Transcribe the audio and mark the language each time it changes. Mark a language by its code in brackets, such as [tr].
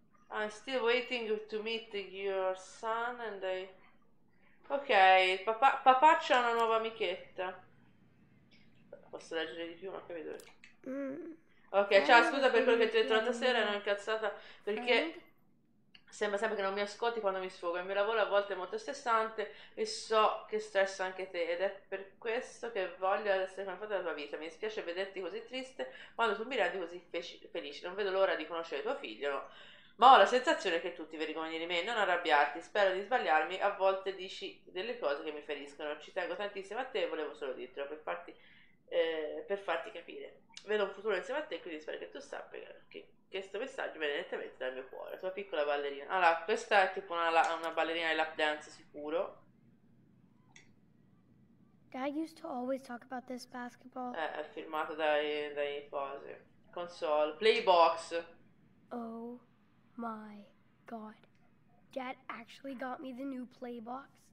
[en] I'm still waiting to meet your son and I... [it] Okay, papà c'ha una nuova amichetta. Posso leggere di più, ma che vedo. Ok, ciao, scusa per quello che ti ho detto l'altra sera, ero incazzata perché sembra sempre che non mi ascolti quando mi sfogo. Il mio lavoro a volte è molto stressante e so che stressa anche te ed è per questo che voglio essere una parte della tua vita. Mi dispiace vederti così triste quando tu mi rendi così felice. Non vedo l'ora di conoscere tuo figlio, no? Ma ho la sensazione che tu ti vergogni di me. Non arrabbiarti, spero di sbagliarmi. A volte dici delle cose che mi feriscono. Ci tengo tantissimo a te, volevo solo dirtelo per farti capire. Vedo un futuro insieme a te, quindi spero che tu sappia che questo messaggio viene direttamente dal mio cuore. Tua piccola ballerina. Allora, questa è tipo una ballerina di lap dance, sicuro. [en] Dad used to always talk about this basketball. [it] È firmato dai cose. Console. Playbox. [en] Oh my god. Dad actually got me the new Playbox?